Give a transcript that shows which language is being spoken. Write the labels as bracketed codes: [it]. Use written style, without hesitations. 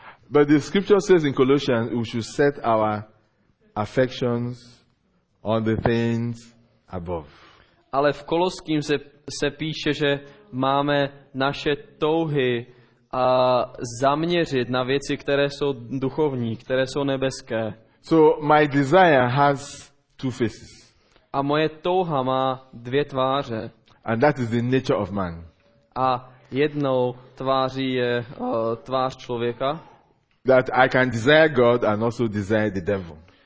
[en] But the scripture says in Colossians we should set our affections on the things above. [cs] Ale v Koloským se píše, že máme naše touhy a zaměřit na věci, které jsou duchovní, které jsou nebeské. [en] So my desire has two faces. [cs] A moje touha má dvě tváře. [en] And that is the nature of man. [cs] A jednou tváří je tvář člověka. [en] That I can desire God and also desire the devil.